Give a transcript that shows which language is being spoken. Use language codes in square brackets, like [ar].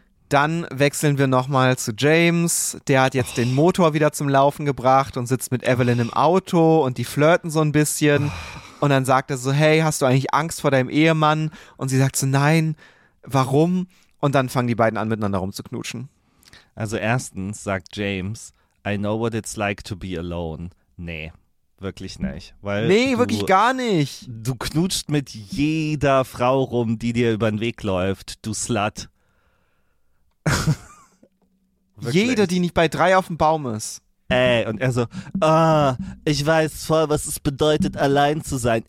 [de] Dann wechseln wir nochmal zu James, der hat jetzt den Motor wieder zum Laufen gebracht und sitzt mit Evelyn im Auto und die flirten so ein bisschen. Und dann sagt er so, hey, hast du eigentlich Angst vor deinem Ehemann? Und sie sagt so, nein, warum? Und dann fangen die beiden an, miteinander rumzuknutschen. Also erstens sagt James, [en] I know what it's like to be alone. [de] Nee, wirklich nicht. Weil wirklich gar nicht. Du knutschst mit jeder Frau rum, die dir über den Weg läuft, du Slut. Jeder, die nicht bei 3 auf dem Baum ist. Ey, und er so, oh, ich weiß voll, was es bedeutet, allein zu sein.